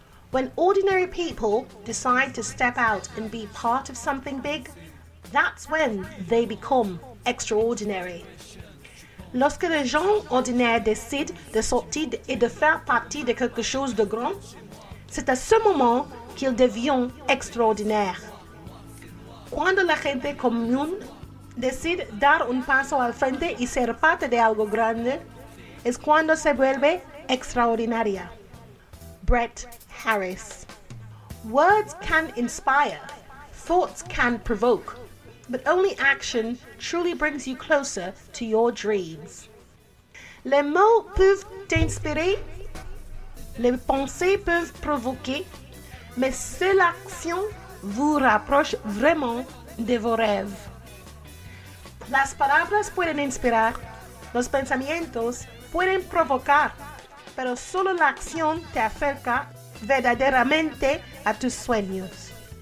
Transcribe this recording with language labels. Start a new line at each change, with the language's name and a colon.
English: When ordinary people decide to step out and be part of something big, that's when they become extraordinary.
French: Lorsque les gens ordinaires décident de sortir et de faire partie de quelque chose de grand, c'est à ce moment qu'ils deviennent extraordinaires.
Spanish: Quand la gente commune decide dar un paso al frente y ser parte de algo grande es cuando se vuelve extraordinaria.
English: Brett Harris. Words can inspire, thoughts can provoke, but only action truly brings you closer to your dreams.
French: Les mots peuvent t'inspirer, les pensées peuvent provoquer, mais seule action vous rapproche vraiment de vos rêves.
Spanish: Las palabras pueden inspirar, los pensamientos pueden provocar, pero solo la acción te acerca verdaderamente a tus sueños.